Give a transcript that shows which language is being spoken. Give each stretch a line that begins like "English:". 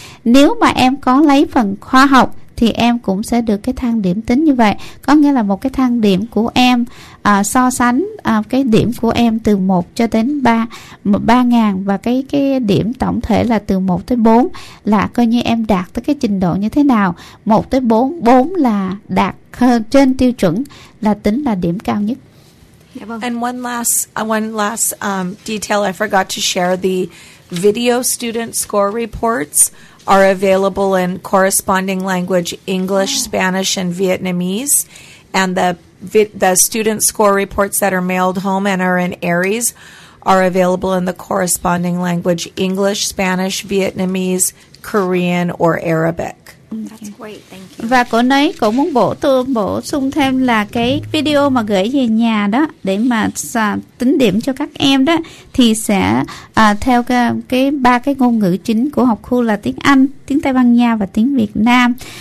Vietnamese: Nếu mà em có lấy phần khoa học thì em cũng sẽ được cái thang điểm tính như vậy, có nghĩa là một cái thang điểm của em so sánh cái điểm của em từ 1 cho đến 3.000 và cái điểm tổng thể là từ 1 tới 4 là coi như em đạt tới cái trình độ như thế nào. 1 tới 4, 4 là đạt trên tiêu chuẩn là tính là điểm cao nhất.
English: And one last detail I forgot to share, the video student score reports are available in corresponding language English, Spanish, and Vietnamese. And the student score reports that are mailed home and are in ARIES are available in the corresponding language English, Spanish, Vietnamese, Korean, or Arabic.
Vietnamese: Và cô nói cô muốn bổ sung thêm là cái video mà gửi về nhà đó để mà tính điểm cho các em đó thì sẽ theo cái ba cái ngôn ngữ chính của học khu là tiếng Anh, tiếng Tây Ban Nha và tiếng Việt Nam.